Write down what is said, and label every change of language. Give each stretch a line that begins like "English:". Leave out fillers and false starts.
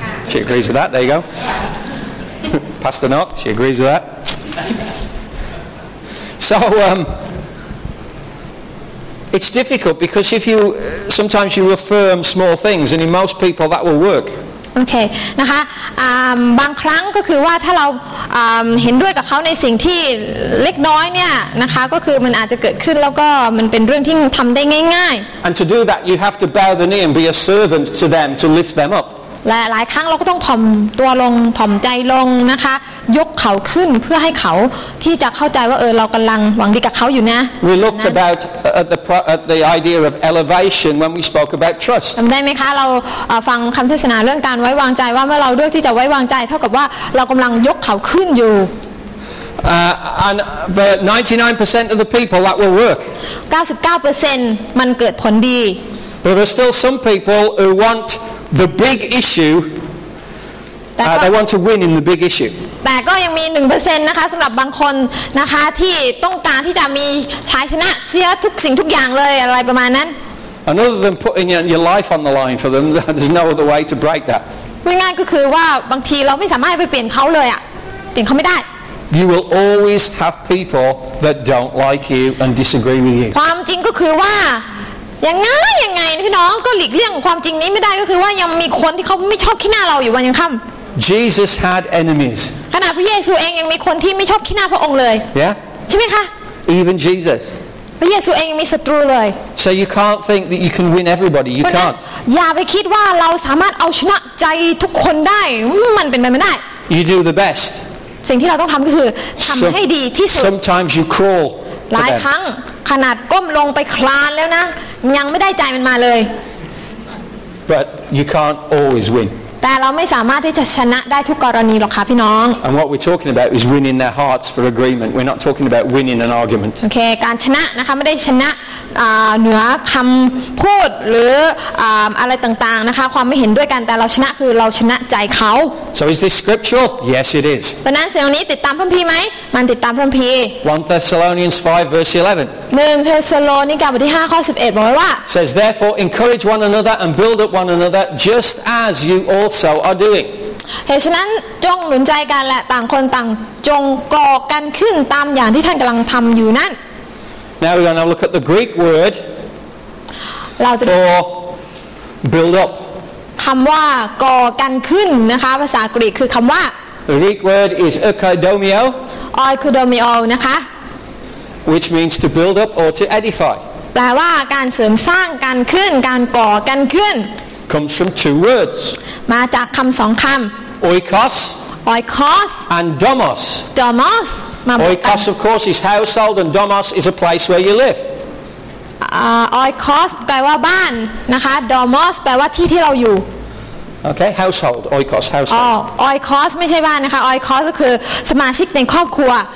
English: she agrees with that. There you go. Pastor Knock, she agrees with that. So it's difficult because if you sometimes you affirm small things, and in most people that will work.
Thai: Okay, นะคะ บางครั้งก็คือว่าถ้าเราเห็นด้วยกับเขาในสิ่งที่เล็กน้อยเนี่ยนะคะก็คือมันอาจจะเกิดขึ้นแล้วก็มันเป็นเรื่องที่ทำได้ง่าย
English: ๆ And to do that you have to bow the knee and be a servant to them to lift them up
Thai: และหลายครั้งเราก็ต้องถ่อมตัวลงถ่อมใจลงนะคะยกเขาขึ้นเพื่อให้เขาที่จะเข้าใจว่าเออเรากำลังหวังดีกับเขาอยู่นะ
English: We looked about the idea of elevation when we spoke about trust
Thai: จำได้ไหมคะเราฟังคำเทศนาเรื่องการไว้วางใจว่าเมื่อเราเลือกที่จะไว้วางใจเท่ากับว่าเรากำลังยกเขาขึ้นอยู่
English: And the 99% of the people that will work
Thai: 99% มันเกิดผลดี
English: But there are still some people who wantThe big issue. They want to win in the big issue.
Thai: แต่ก็ยังมี 1% นะคะสำหรับบางคนนะคะที่ต้องการที่จะมีชัยชนะเสียทุกสิ่งทุกอย่างเลยอะไรประมาณนั้น
English: Another than putting your life on the line for them, there's no other way to break that.
Thai: ง่ายๆก็คือว่าบางทีเราไม่สามารถไปเปลี่ยนเขาเลยอ่ะเปลี่ยนเขาไม่ได้
English: You will always have people that don't like you and disagree with you.
Thai: ความจริงก็คือว่ายังไงยังไงพี่น้องก็หลีกเลี่ยงความจริงนี้ไม่ได้ก็คือว่ายังมีคนที่เขาไม่ชอบขี้หน้าเราอยู่วันยังค่ำ
English: Jesus had enemies
Thai: ขณะพระเยซูเองยังมีคนที่ไม่ชอบขี้หน้าพระองค์เลย
English: Yeah
Thai: ใช่ไหมคะ
English: Even Jesus
Thai: พระเยซูเองมีศัตรูเลย
English: So you can't think that you can win everybody you can't
Thai: อย่าไปคิดว่าเราสามารถเอาชนะใจทุกคนได้มันเป็นไปไม่ได้
English: You do the best
Thai: สิ่งที่เราต้องทำก็คือทำให้ดีที่สุด
English: Sometimes you crawl
Thai: หลายครั้ง ขนาดก้มลงไปคลานแล้วนะยังไม่ได้ใจมันมาเลย
English: But you can't always win
Thai: แต่เราไม่สามารถที่จะชนะได้ทุกกรณีหรอกค่ะพี่น้อง
English: And what we're talking about is winning their hearts for agreement we're not talking about winning an argument
Thai: โอเคการชนะนะคะไม่ได้ชนะเหนือคำพูดหรืออะไรต่างๆนะคะความไม่เห็นด้วยกันแต่เราชนะคือเราชนะใจเขา
English: So is this scriptural? Yes it is
Thai: ดังนั้นเซลล์นี้ติดตามพระคัมภีร์ไหมมันติดตามพระคัมภีร์
English: 1 Thessalonians 5 verse 11
Thai: 1 Thessalonians บทที่ 5 ข้อ 11 บอกว่า
English: says therefore encourage one another and build up one another just as you also are doing
Thai: เหตุฉะนั้นจงหนุนใจกันและต่างคนต่างจงก่อกันขึ้นตามอย่างที่ท่านกำลังทำอยู่นั่น
English: Now we're going to look at the Greek word for build up
Thai: คำว่าก่อกันขึ้นนะคะภาษากรีกคือคำว่า
English: The Greek word is oikodomeo
Thai: oikodomeo นะคะ
English: which means to build up or to edify
Thai: แปลว่าการเสริมสร้างการขึ้นการก่อกันขึ้น
English: Comes from two words.
Thai: มาจากคำสองคำ
Greek: Oikos. Oikos.
English: And domos.
Greek: Domos.
English: Oikos, of course, is household, and domos is a place where you live.
Thai: Oikos แปลว่าบ้านนะคะ Domos แปลว่าที่ที่เราอยู่
English: Okay, household. Oikos, household.
Thai: Oikos ไม่ใช่บ้านนะคะ Oikos ก็คือสมาชิกในครอบครัว